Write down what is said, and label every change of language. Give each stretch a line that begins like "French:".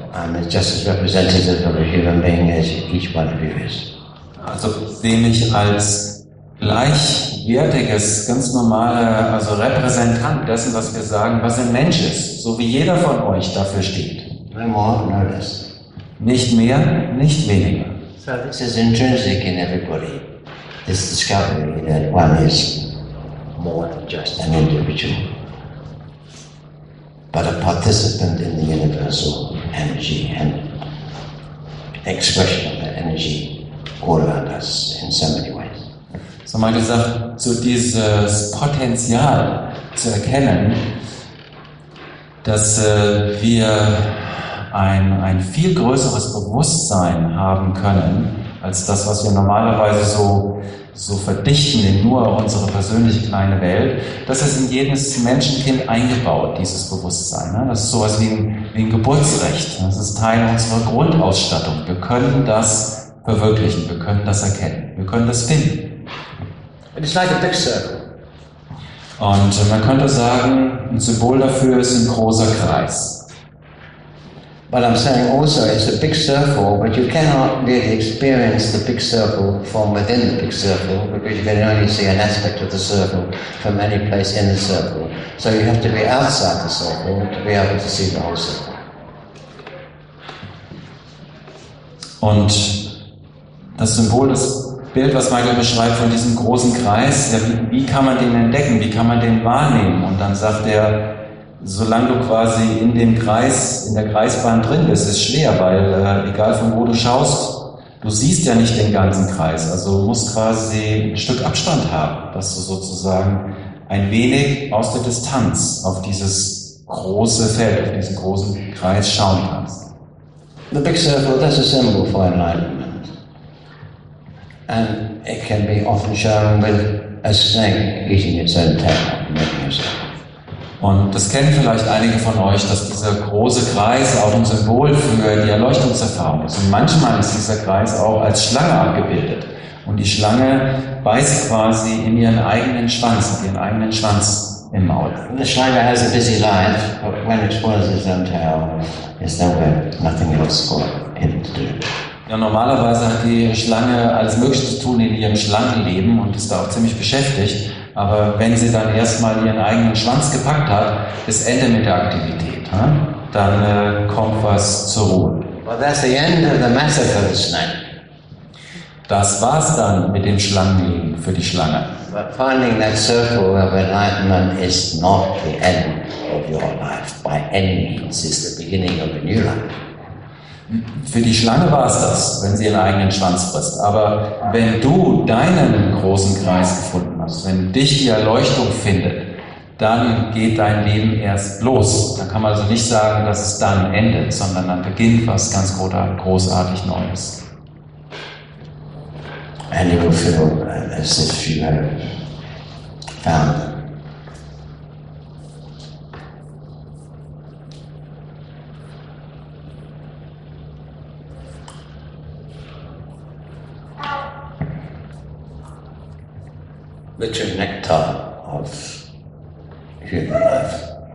English: I'm just as representative of a human being as each one of you is.
German: Also sehe mich als gleichwertiges, ganz normaler, also Repräsentant dessen, was wir sagen, was ein Mensch ist, so wie jeder von euch dafür steht.
English: No more, no less.
German: Nicht mehr, nicht weniger.
English: So this is intrinsic in everybody. This discovery that one is more than just an individual, but a participant in the universal energy and expression of that energy all around us in so many ways.
German: So mal gesagt, so dieses Potenzial zu erkennen, dass wir ein viel größeres Bewusstsein haben können, als das, was wir normalerweise so verdichten in nur unsere persönliche kleine Welt, das ist in jedes Menschenkind eingebaut, dieses Bewusstsein. Ne? Das ist sowas wie ein Geburtsrecht. Das ist Teil unserer Grundausstattung. Wir können das verwirklichen, wir können das erkennen, wir können das finden.
English: It is like a big circle.
German: Und man könnte sagen, ein Symbol dafür ist ein großer Kreis.
English: But I'm saying also it's a big circle, but you cannot really experience the big circle from within the big circle, because you can only see an aspect of the circle from any place in the circle. So you have to be outside the circle to be able to see the whole circle.
German: Und das Symbol, das Bild, was Michael beschreibt von diesem großen Kreis, ja, wie kann man den entdecken, wie kann man den wahrnehmen? Und dann sagt er, solange du quasi in dem Kreis, in der Kreisbahn drin bist, ist schwer, weil egal von wo du schaust, du siehst ja nicht den ganzen Kreis. Also du musst quasi ein Stück Abstand haben, dass du sozusagen ein wenig aus der Distanz auf dieses große Feld, auf diesen großen Kreis schauen kannst.
English: The big circle, that's a symbol for enlightenment. And it can be often shown with a snake eating its own tail.
German: Und das kennen vielleicht einige von euch, dass dieser große Kreis auch ein Symbol für die Erleuchtungserfahrung ist. Und manchmal ist dieser Kreis auch als Schlange abgebildet. Und die Schlange beißt quasi in ihren eigenen Schwanz im Maul.
English: And the Schlange has a busy life, but when it spoils its own tail, there's nowhere, nothing else for it to do.
German: Ja, normalerweise hat die Schlange alles Mögliche zu tun in ihrem Schlangenleben und ist da auch ziemlich beschäftigt. Aber wenn sie dann erstmal ihren eigenen Schwanz gepackt hat, ist Ende mit der Aktivität. Hm? Dann kommt was zur Ruhe.
English: Well, that's the end of the massacre of the snake.
German: Das war's dann mit dem Schlangenleben für die Schlange.
English: But finding that circle of enlightenment is not the end of your life. By any means, it's the beginning of a new life.
German: Für die Schlange war es das, wenn sie ihren eigenen Schwanz frisst. Aber wenn du deinen großen Kreis gefunden hast, wenn dich die Erleuchtung findet, dann geht dein Leben erst los. Dann kann man also nicht sagen, dass es dann endet, sondern dann beginnt was ganz großartig Neues.
English: And you will feel as if you have found the nectar of human life.